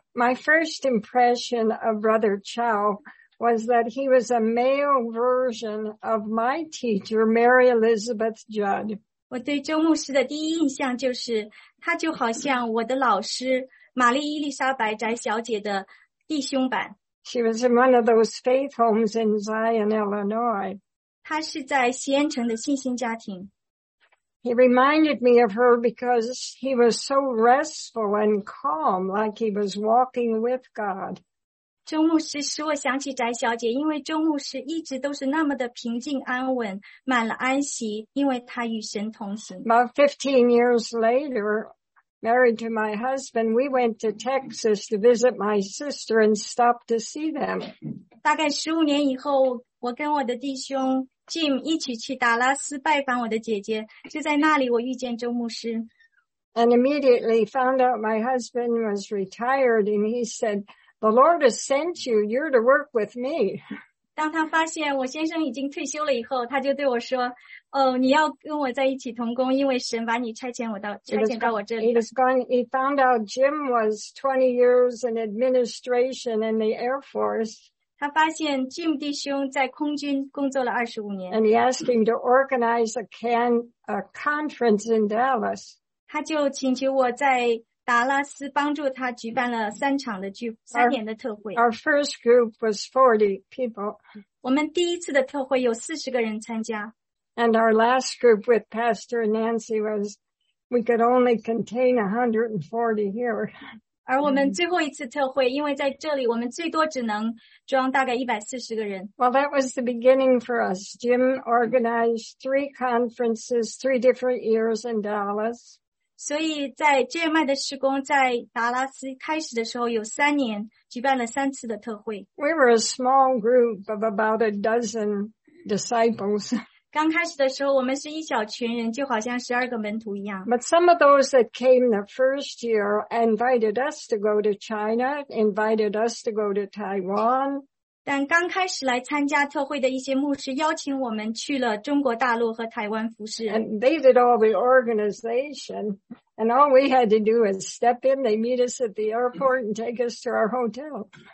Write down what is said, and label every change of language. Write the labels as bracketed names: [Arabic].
[English] My first impression of Brother Chow was that he was a male version of my teacher, Mary Elizabeth Judd. [Chinese] 我对周牧师的第一印象就是，他就好像我的老师玛丽伊丽莎白翟小姐的弟兄版。 [English] She was in one of those faith homes in Zion, Illinois. [Chinese] 他是在西安城的信心家庭。 [English] He reminded me of her because he was so restful and calm, like he was walking with God. [Chinese] 周牧师使我想起翟小姐，因为周牧师一直都是那么的平静安稳，满了安息，因为他与神同行。 [English] About 15 years later, married to my husband, we went to Texas to visit my sister and stopped to see them. [Chinese] 大概15年以后我跟我的弟兄 Jim 一起去达拉斯拜访我的姐姐，就在那里我遇见周牧师。 [English] And immediately found out my husband was retired, and he said, "The Lord has sent you. You're to work with me." [Chinese] 当他发现我先生已经退休了以后，他就对我说，哦，你要跟我在一起同工，因为神把你差遣到我这里。 [English] He found out Jim was 20 years in administration in the Air Force. [Chinese] 他发现 Jim 弟兄在空军工作了25年。 [English] And he asked him to organize a conference in Dallas. [Chinese] 他就请求我在达拉斯帮助他举办了三年的特会。 [English] Our first group was 40 people. [Chinese] 我们第一次的特会有40个人参加。 [English] And our last group with Pastor Nancy was, we could only contain 140 here. [Chinese] 而我们最后一次特会，因为在这里我们最多只能装大概140个人。 [English] Well, that was the beginning for us. Jim organized 3 conferences, 3 different years in Dallas. [Chinese] 所以在 JMI 的施工在达拉斯开始的时候有三年举办了三次的特会。 [English] We were a small group of about a dozen disciples. [Chinese] 刚开始的时候我们是一小群人，就好像12个门徒一样。 [English] But some of those that came the first year invited us to go to China, invited us to go to Taiwan. [Chinese] 但刚开始来参加特会的一些牧师邀请我们去了中国大陆和台湾服事。 [English] And they did all the organization. And all we had to do is step in, they meet us at the airport and take us to our hotel.